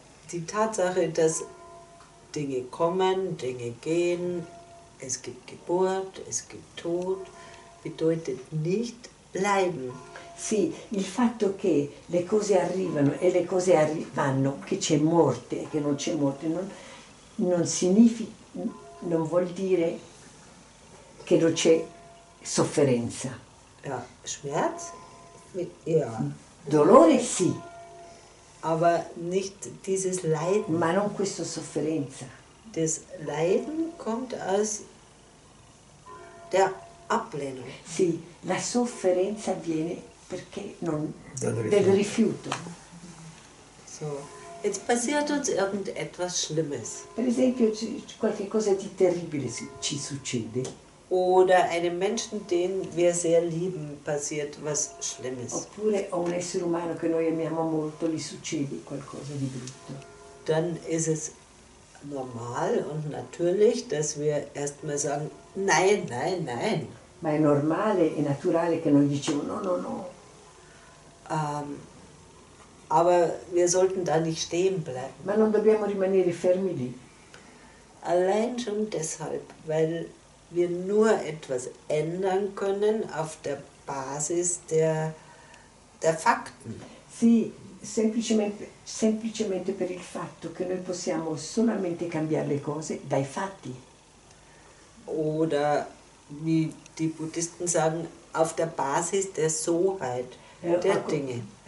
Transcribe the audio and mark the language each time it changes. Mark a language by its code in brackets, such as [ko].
[de] Die Tatsache, dass Dinge kommen, Dinge gehen, es gibt Geburt, es gibt Tod, bedeutet nicht Leiden. [it] Sì, il fatto che le cose arrivano e le cose vanno, che c'è morte e che non c'è morte, non vuol dire che non c'è sofferenza. [de] Ja, Schmerz? Ja. [it] Dolore sì. [de] Aber nicht dieses Leiden. [it] Ma non questa sofferenza. [de] Das Leiden kommt aus der Ablehnung. [it] Sì, la sofferenza viene perché non del rifiuto. [de] So, jetzt passiert uns irgendetwas Schlimmes. [it] Per esempio, qualche cosa di terribile ci succede. [de] Oder einem Menschen, den wir sehr lieben, passiert was Schlimmes. [it] Oppure a un essere umano che noi amiamo molto gli succede qualcosa di brutto. [de] Dann ist es normal und natürlich, dass wir erstmal sagen, nein, nein, nein. [it] Ma è normale e naturale che noi diciamo no, no, no. [de] Aber wir sollten da nicht stehen bleiben. [it] Ma non dobbiamo rimanere fermi lì. [de] Allein schon deshalb, weil wir nur etwas ändern können auf der Basis der Fakten. [it] Sì, semplicemente per il fatto che noi possiamo solamente cambiare le cose dai fatti. [de] Oder wie die Buddhisten sagen, auf der Basis der Soheit der Dinge.